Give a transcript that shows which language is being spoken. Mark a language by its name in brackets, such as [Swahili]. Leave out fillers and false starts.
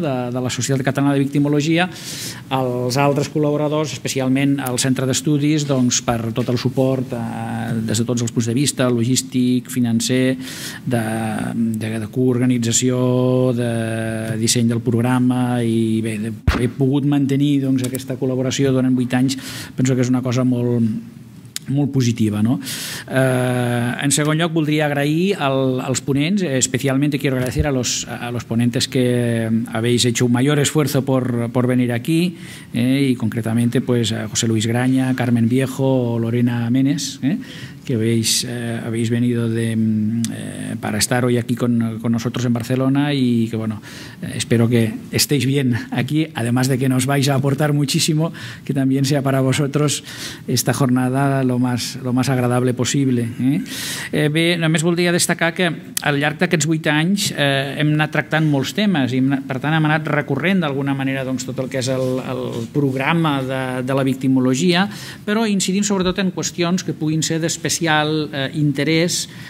[Catalan] de la Societat Catalana de Victimologia, als altres col·laboradors, especialment al centre d'estudis, doncs, per tot el suport des de tots els punts de vista logístic, financer, de coorganització, de disseny del programa i bé, he pogut mantenir doncs, aquesta col·laboració durant 8 anys, penso que és una cosa molt positiva, no? En segon lloc, voldria agrair als ponents, especialment [Spanish] quiero agradecer a los ponentes que habéis hecho un mayor esfuerzo por venir aquí, y concretamente pues a José Luis Graña, Carmen Viejo o Lorena Menes, que habéis venido para estar hoy aquí con nosotros en Barcelona y que bueno, espero que estéis bien aquí, además de que nos vais a aportar muchísimo, que también sea para vosotros esta jornada lo más agradable posible. [Catalan] Bé, només voldria destacar que al llarg d'aquests 8 anys hem anat tractant molts temes i per tant hem anat recorrent d'alguna manera doncs, tot el que és el programa de la victimologia, però incidint sobretot en qüestions que puguin ser d'especial interès